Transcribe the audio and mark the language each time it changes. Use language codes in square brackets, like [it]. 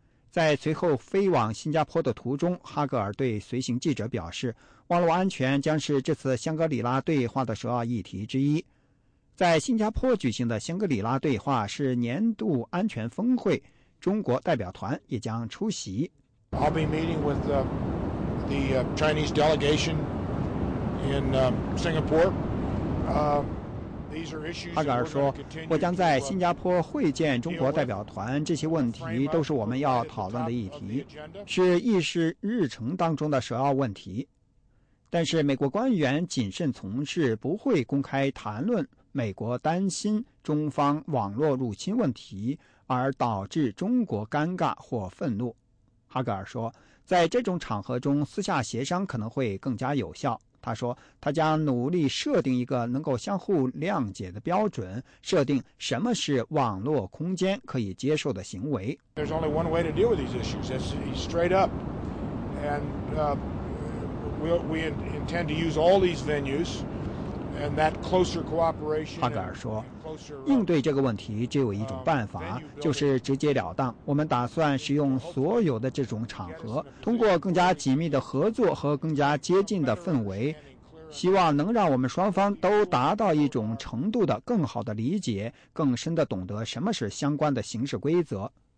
[zh] 在随后飞往新加坡的途中，哈格尔对随行记者表示，网络安全将是这次香格里拉对话的首要议题之一。在新加坡举行的香格里拉对话是年度安全峰会，中国代表团也将出席。 [en] I'll be meeting with the Chinese delegation in Singapore. [zh] 哈格尔说，我将在新加坡会见中国代表团，这些问题都是我们要讨论的议题，是议事日程当中的首要问题。但是美国官员谨慎从事，不会公开谈论美国担心中方网络入侵问题而导致中国尴尬或愤怒。哈格尔说，在这种场合中私下协商可能会更加有效。他说，他将努力设定一个能够相互谅解的标准，设定什么是网络空间可以接受的行为。 [en] There's only one way to deal with these issues. That's straight up, and we intend to use all these venues and that closer cooperation. [zh] 哈格尔说，应对这个问题只有一种办法，就是直截了当。我们打算使用所有的这种场合，通过更加紧密的合作和更加接近的氛围，希望能让我们双方都达到一种程度的更好的理解，更深的懂得什么是相关的行事规则。